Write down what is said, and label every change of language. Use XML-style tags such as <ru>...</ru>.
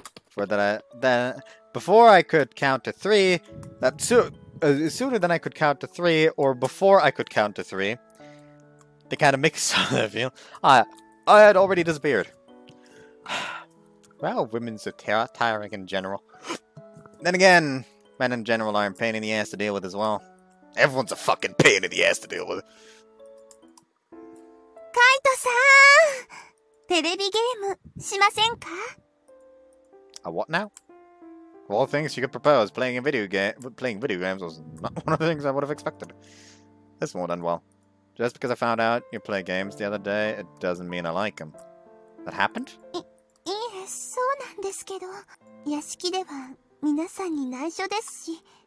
<en>For that, then, before I could count to three, that sooner than I could count to three, or before I could count to three, they kind of mixed some of you. I had already disappeared. Well, women's are tiring in general. Then again, men in general aren't pain in the ass to deal with as well. Everyone's a fucking pain in the ass to deal with.</en> <ja>Kaito-san! テレビゲームしませんか?</ja> <en>A what now? Of all things you could propose, playing a video game, playing video games was not one of the things I would have expected. This won't end well. Just because I found out you play games the other day, it doesn't mean I like them. That happened?</en> <ja>いえ、そうなんですけど、屋敷では皆さんに内緒ですし。</ja>